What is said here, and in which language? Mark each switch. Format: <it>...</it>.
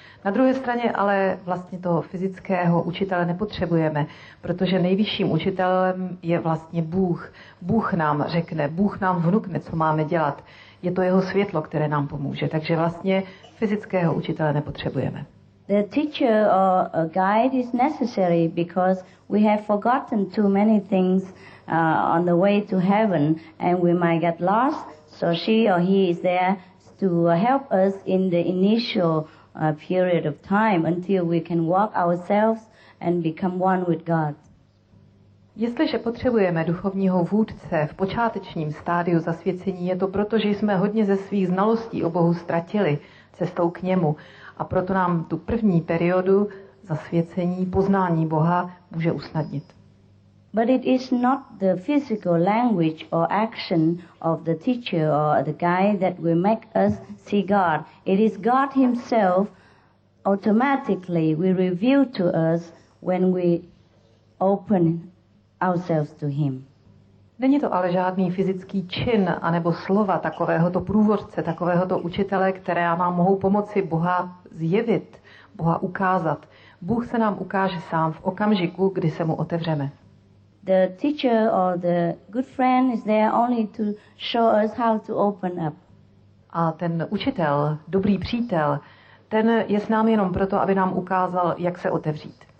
<cs>Na druhé straně ale vlastně toho fyzického učitele nepotřebujeme, protože nejvyšším učitelem je vlastně Bůh. Bůh nám řekne, Bůh nám vnukne, co máme dělat. Je to jeho světlo, které nám pomůže, takže vlastně fyzického učitele nepotřebujeme.</cs> <en>The teacher or a guide is necessary because we have forgotten too many things on the way to heaven and we might get lost. So she or he is there to help us in the initial period of time until we can walk ourselves and become one with God.</en> <cs>Jestliže potřebujeme duchovního vůdce v počátečním stádiu zasvěcení, je to proto, že jsme hodně ze svých znalostí o Bohu ztratili cestou k němu. A proto nám tu první periodu zasvěcení, poznání Boha může usnadnit.</cs> <en>But it is not the physical language or action of the teacher or the guide that will make us see God. It is God himself automatically will reveal to us when we open ourselves to him.</en> <cs>Není to ale žádný fyzický čin anebo slova takovéhoto průvodce, takovéhoto učitele, které nám mohou pomoci Boha zjevit, Boha ukázat. Bůh se nám ukáže sám v okamžiku, kdy se mu otevřeme.</cs> <en>The teacher or the good friend is there only to show us how to open up.</en> <cs>A ten učitel, dobrý přítel, ten je s námi jenom proto, aby nám ukázal, jak se otevřít.</cs>